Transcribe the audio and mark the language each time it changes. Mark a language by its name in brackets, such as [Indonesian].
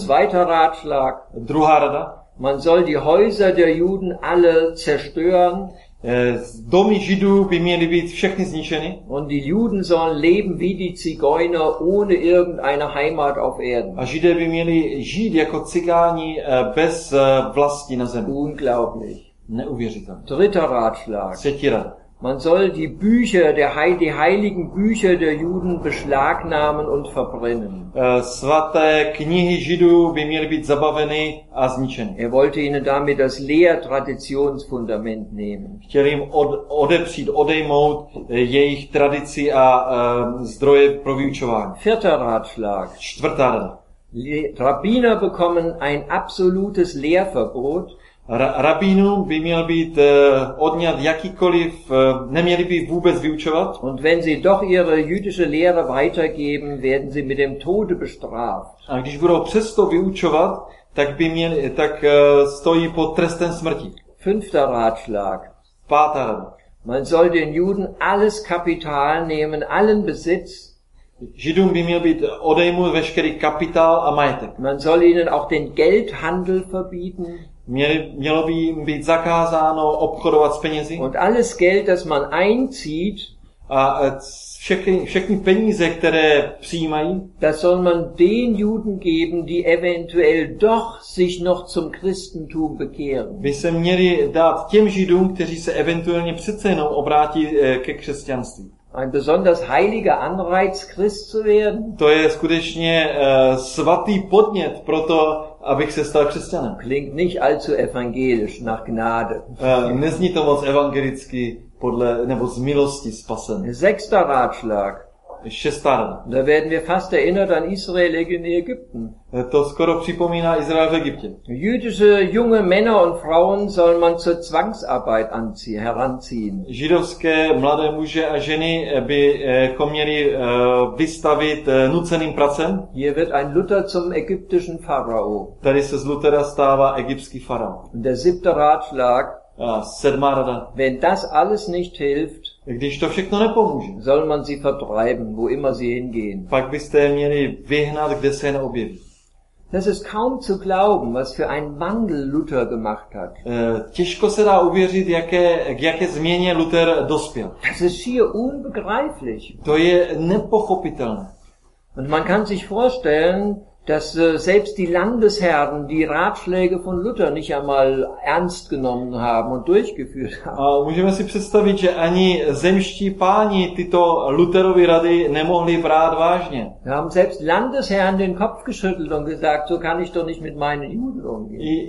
[German] Zweiter Ratschlag. [Czech] Druhá rada. [German] Man soll die Häuser der Juden alle zerstören. [Czech] Domy Židů by měly být všechny zničeny. [German] Und die Juden sollen leben wie die Zigeuner ohne irgendeine Heimat auf Erden. [Czech] A Židé by měli žít jako cigáni bez vlasti na zemi. [German] Unglaublich. [Czech] Neuvěřitelné. [German] Dritter Ratschlag. [Czech] Třetí rada. [German] Man soll die Bücher der die heiligen Bücher der Juden beschlagnahmen und verbrennen. [Czech] Svaté knihy Židů by měly být zabaveny a zničeny. [German] Er wollte ihnen damit das Lehrtraditionsfundament nehmen. [Czech] Chtěl jim odejmout jejich tradici a zdroje pro vyučování. [German] Vierter Ratschlag. [Czech] Čtvrtá rada. [German] Rabbiner bekommen ein absolutes Lehrverbot. [Czech] Rabínům by měl být odňat jakýkoliv, neměli by vůbec vyučovat. [German] Und wenn sie doch ihre jüdische Lehre weitergeben, werden sie mit dem Tode bestraft. [Czech] A když budou přesto vyučovat, tak by měli, tak stojí pod trestem smrti. [German] Fünfter Ratschlag. [Czech] Pátá. [German] Man soll den Juden alles Kapital nehmen, allen Besitz. [Czech] Židům by měl být odejmut veškerý kapitál a majetek. [German] Man soll ihnen auch den Geldhandel verbieten. [Czech] Mělo by jim být zakázáno obchodovat s penězi. [German] Und alles Geld, das man einzieht, [Czech] a všechny peníze, které přijímají, [German] das soll man den Juden geben, die eventuell doch sich noch zum Christentum bekehren. [Czech] By se měli dát těm Židům, kteří se eventuálně přece jenom obrátí ke křesťanství. [German] Ein besonders heiliger Anreiz, Christ zu werden. [Czech] To je skutečně svatý podnět pro to, abych se stal křesťanem. [German] Klingt nicht allzu evangelisch nach Gnade. [Czech] Nezní to moc evangelicky podle, nebo z milosti spasen. [German] Sechster Ratschlag. [Czech] Šestá rada. [German] Da werden wir fast erinnert an Israel in Ägypten. [Czech] To skoro připomíná Izrael v Egyptě. [German] Jüdische junge Männer und Frauen soll man zur Zwangsarbeit heranziehen. [Czech] Židovské mladé muže a ženy by měli vystavit nuceným pracem. [German] Hier wird ein Luther zum ägyptischen Pharao. [Czech] Tady se z Luthera stává egyptský farao. [German] Der siebte Ratschlag. [Czech] Sedmá rada. [German] Wenn das alles nicht hilft, [Czech] když to všechno nepomůže, [German] soll man sie vertreiben, wo immer sie hingehen. [Czech] Pak byste je měli vyhnat, kde se jen objeví. [German] Das ist kaum zu glauben, was für einen Wandel Luther gemacht hat. [Czech] Těžko se dá uvěřit, k jaké změně Luther dospěl. [German] Das ist schier unbegreiflich. [Czech] To je nepochopitelné. [German] Und man kann sich vorstellen, dass selbst die Landesherren die Ratschläge von Luther nicht einmal ernst genommen haben und durchgeführt haben. [Czech] A můžeme si představit, že ani zemští páni tyto Lutherovy rady nemohli brát vážně. [German] Da haben selbst Landesherren den Kopf geschüttelt und gesagt, so kann ich doch nicht mit meinen Juden umgehen.